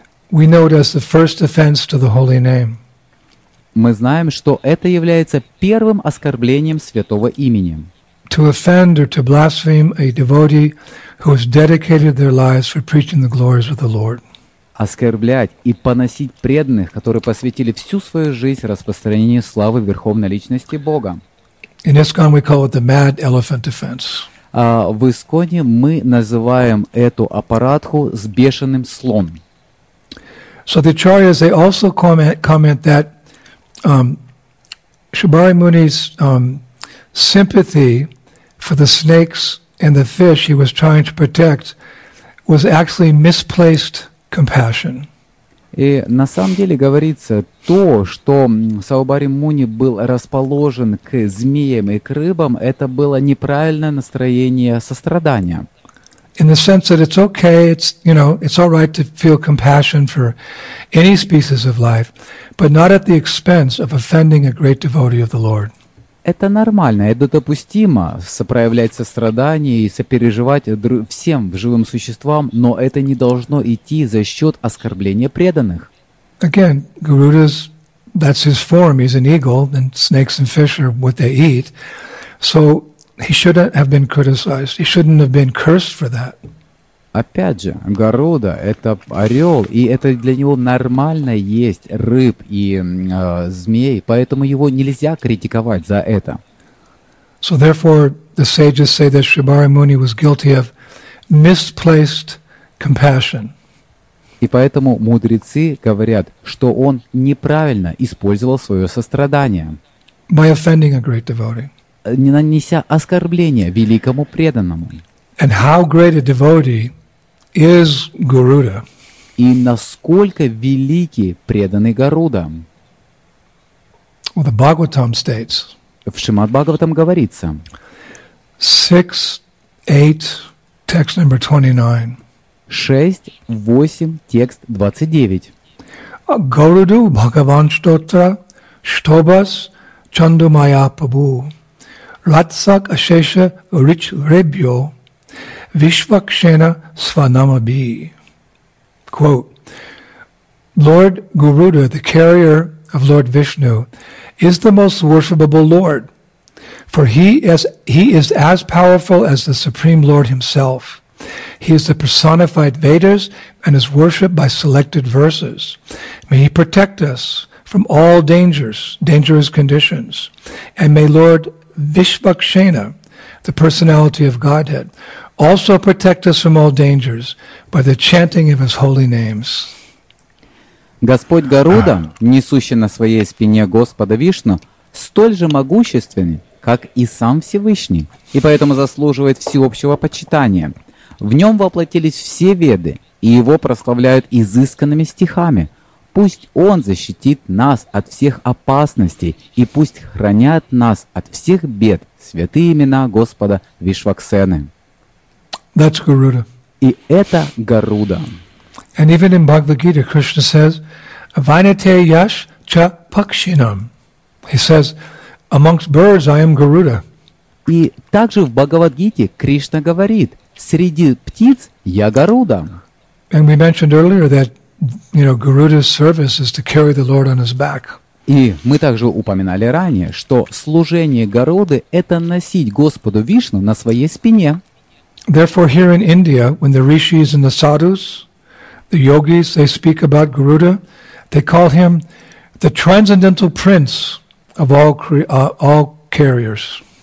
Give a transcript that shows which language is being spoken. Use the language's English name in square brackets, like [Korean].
[English] We know it as the first offense to the holy name. [Russian] Мы знаем, что это является первым оскорблением святого имени. [English] To offend or to blaspheme a devotee who has dedicated their lives for preaching the glories of the Lord. [Russian] Оскорблять и поносить преданных, которые посвятили всю свою жизнь распространению славы Верховной Личности Бога. [English] In ISKCON we call it the mad elephant offense. [Russian] В ИСККОНе мы называем эту апаратху с бешеным слоном. [English] So the acharyas, they also comment that Shibari Muni's sympathy for the snakes and the fish he was trying to protect was actually misplaced compassion. [Russian] И на самом деле говорится то, что Саубари Муни был расположен к змеям и к рыбам, это было неправильное настроение сострадания. [English] In the sense that it's okay, it's, you know, it's all right to feel compassion for any species of life, but not at the expense of offending a great devotee of the Lord. [Russian] Это нормально, это допустимо, проявлять сострадание и сопереживать всем живым существам, но это не должно идти за счет оскорбления преданных. [English] Again, Garuda's, that's his form, he's an eagle, and snakes and fish are what they eat. So he shouldn't have been criticized, he shouldn't have been cursed for that. [Russian] Опять же, Гаруда — это орел, и это для него нормально есть рыб и змей, поэтому его нельзя критиковать за это. [English] So therefore, the sages say that Shibari Muni was guilty of misplaced compassion. [Russian] И поэтому мудрецы говорят, что он неправильно использовал свое сострадание, [English] by offending a great devotee. [Russian] Не нанеся оскорбления великому преданному. [English] And how great a devotee is Garuda. [Russian] И насколько великий преданный Гаруда. [English] Well, the Bhagavatam states, [Russian] в Шримад-Бхагаватам говорится, [English] 6-8, text number 29. [Russian] 6-8, текст 29. [Sanskrit] Гаруду Бхагаван Штотра Штобас Чандумая Пабу Ратсак Ашеша Рич Ребьо Вишвакшена Сванамаби. [English] Quote, Lord Garuda, the carrier of Lord Vishnu, is the most worshipable Lord, for he is as powerful as the Supreme Lord himself. He is the personified Vedas and is worshipped by selected verses. May he protect us from all dangerous conditions. And may Lord Vishvakshena, the personality of Godhead, also protect us from all dangers by the chanting of his holy names. [Russian] Господь Гаруда, несущий на своей спине Господа Вишну, столь же могущественный, как и сам Всевышний, и поэтому заслуживает всеобщего почитания. В нем воплотились все веды, и его прославляют изысканными стихами. Пусть он защитит нас от всех опасностей, и пусть хранят нас от всех бед святые имена Господа Вишваксены. [English] That's Garuda. [Russian] И это Гаруда. [English] And even in Bhagavad Gita, Krishna says, [Sanskrit] Vainate yash cha pakshinam. [English] He says, amongst birds I am Garuda. [Russian] И также в Бхагавадгите Кришна говорит, среди птиц я Гаруда. [English] And we mentioned earlier that, you know, Garuda's service is to carry the Lord on his back. [Russian] И мы также упоминали ранее, что служение Гаруды – это носить Господу Вишну на своей спине. [English] Therefore, here in India, when the rishis and the sadhus, the yogis, they speak about Garuda, they call him the transcendental prince of all carriers.